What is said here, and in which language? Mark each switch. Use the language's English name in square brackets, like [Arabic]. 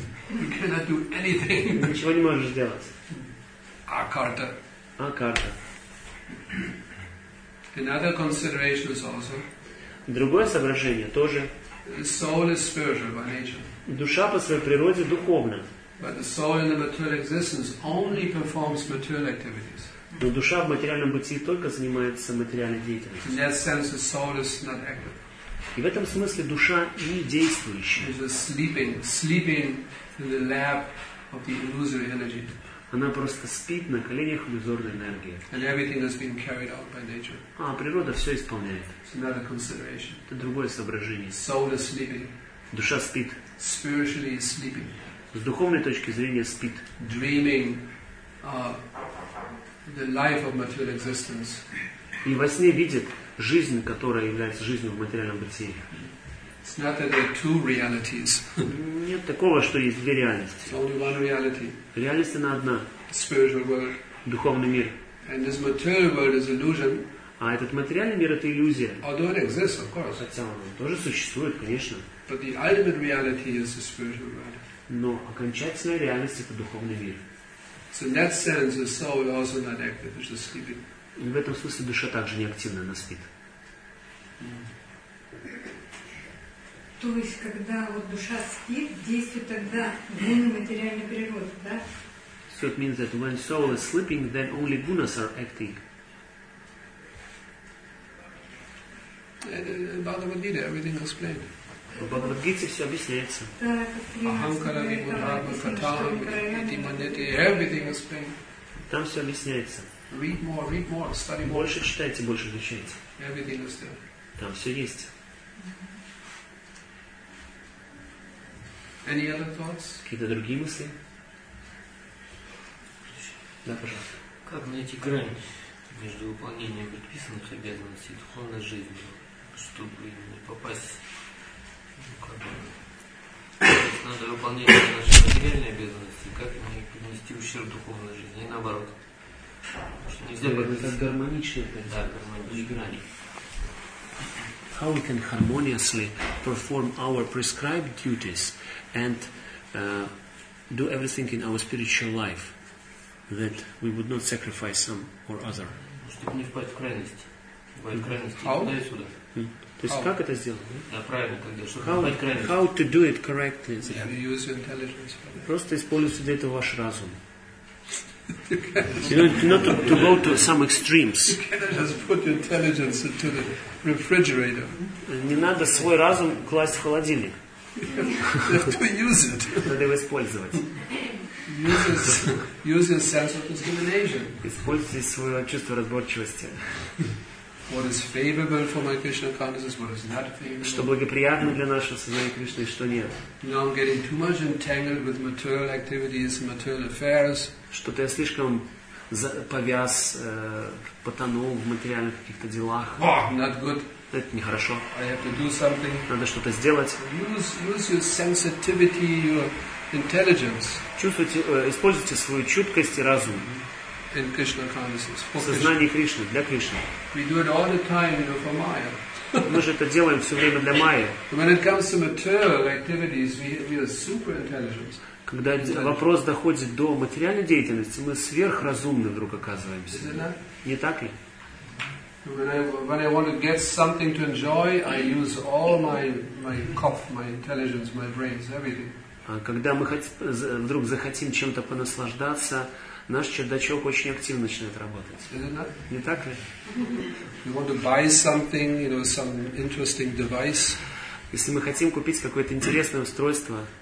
[English] You cannot do anything. [Russian] Ничего не можешь сделать. [Sanskrit] Акарта. Акарта. [English] Another consideration is also. [Russian] Другое соображение тоже. [English] Soul is spiritual by nature. [Russian] Душа по своей природе духовна. [English] But the soul in the material existence only performs material activities. [Russian] Но душа в материальном бытии только занимается материальной деятельностью. [English] In that sense, the soul is not active. [Russian] И в этом смысле душа не действующая. [English] She's sleeping in the lap of the illusory energy. [Russian] Она просто спит на коленях иллюзорной энергии. [English] And everything has been carried out by nature. [Russian] А природа все исполняет. [English] It's another consideration. [Russian] Это другое соображение. [English] Soul is sleeping. [Russian] Душа спит. [English] Spiritually is sleeping. [Russian] С духовной точки зрения спит. [English] Dreaming the life of material existence. [Russian] И во сне видит жизнь, которая является жизнью в материальном бытии. [English] It's not that there are two realities. [Russian] Нет такого, что есть две реальности. [English] It's only one reality. [Russian] Реальность она одна. [English] Spiritual world. [Russian] Духовный мир. [English] And this material world is illusion. [Russian] А этот материальный мир — это иллюзия. [English] Although it exists, of course. [Russian] Хотя он тоже существует, конечно. [English] But the ultimate reality is the spiritual world. [Russian] Но окончательная реальность — это духовный мир. [English] So in that sense, the soul is also not active, it's just sleeping. [Russian] И в этом смысле душа также не активна, она спит. То есть, когда вот душа спит, действует тогда гуны материальной природы, да? [English] So it means that when soul is sleeping, then only gunas are acting. Bhagavad-gita, everything explained. [Russian] В Бхагавад-гите все объясняется. [Sanskrit] Ахамкара вибхутаха катхам ити манете, [English] everything explained. [Russian] Там все объясняется. [English] Read more, study more. [Russian] Больше читайте, больше изучайте. [English] Everything is there. [Russian] Там все есть. [English] Any other thoughts? [Russian] Какие-то другие мысли? Да, пожалуйста. Как найти грань между выполнением предписанных обязанностей и духовной жизнью, чтобы не попасть, ну, как бы, надо выполнять наши материальные обязанности, как не принести ущерб духовной жизни, и наоборот. [English] How we can harmoniously perform our prescribed duties and do everything in our spiritual life that we would not sacrifice some or other. [Russian] чтобы не впасть в крайности. Впасть в крайности туда и сюда. То есть как это сделать? Да, правильно, когда, чтобы не впасть в крайности. [English] How to do it correctly? Yeah. You use your intelligence. [Russian] Просто используйте для этого ваш разум. [English] You know, not to go to some extremes. Just put your intelligence into the refrigerator. [Russian] Не надо свой разум класть в холодильник. [English] To use it. [Russian] Надо его использовать. [English] Use your sense of discrimination. [Russian] Используйте свое чувство разборчивости. [English] What is favorable for my Krishna consciousness, what is not favorable? [Russian] Что благоприятно для нашего сознания Кришны, что нет. [English] Now I'm getting too much entangled with material activities, material affairs. [Russian] Что-то я слишком повяз, потонул в материальных каких-то делах. [English] Not good. [Russian] Это нехорошо. [English] I have to do something. [Russian] Надо что-то сделать. [English] Use your sensitivity, your intelligence. [Russian] Чувствуйте, используйте свою чуткость и разум. [English] In Krishna consciousness. For [Russian] сознание Кришны, для Кришны. [English] We do it all the time, you know, for Maya. [Russian] Мы же это делаем все время для Майи. [English] When it comes to material activities, we are super intelligent. [Russian] Когда вопрос доходит до материальной деятельности, мы сверхразумны вдруг оказываемся. Не так ли? [English] When I want to get something to enjoy, I use all my cough, my intelligence, my brains, everything. [Russian] А когда мы вдруг захотим чем-то понаслаждаться, наш чердачок очень активно начинает работать. Не так ли? [English] You want to buy something, you know, some interesting device. [Russian] Если мы хотим купить какое-то интересное устройство,